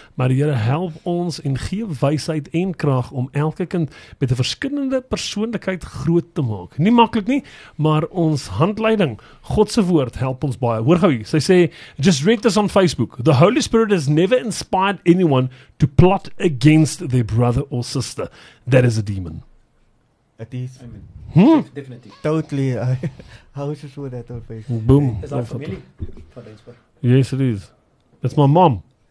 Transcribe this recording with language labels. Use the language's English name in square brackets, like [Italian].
[Afrikaans] Maar die Here help ons en gee wysheid en krag om elke kind met 'n verskillende persoonlikheid groot te maak. Nie makkelijk nie, maar ons handleiding, Godse woord, help ons baie. Hoor gauwie, sy sê, [English] just read this on Facebook. The Holy Spirit has never inspired anyone to plot against their brother or sister. That is a demon. It is. Hmm? Definitely. Totally. I was just with that on Facebook. Boom. Is that family? Yes, it is. It's my mom.